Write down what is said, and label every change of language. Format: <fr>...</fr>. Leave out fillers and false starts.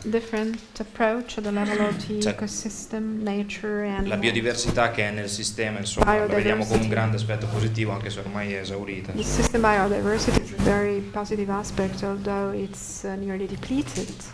<en>Different approach at the level of the ecosystem, nature and</en> <it>la biodiversità che è nel sistema, insomma, la vediamo come un grande aspetto positivo, anche se ormai è esaurita.</it> <en>The system biodiversity is a very positive aspect, although it's nearly depleted.</en>